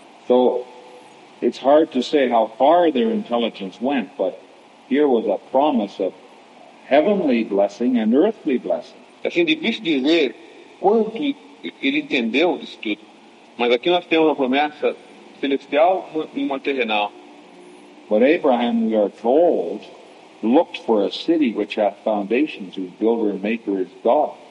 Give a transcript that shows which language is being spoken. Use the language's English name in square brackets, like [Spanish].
[English] So it's hard to say how far their intelligence went, but here was a promise of heavenly blessing and earthly blessing. [Portuguese] Assim, difícil dizer quanto ele entendeu disso tudo, mas aqui nós temos uma promessa celestial e uma terrenal. [English] But Abraham, we are told, looked for a city which hath foundations, whose builder and maker is God.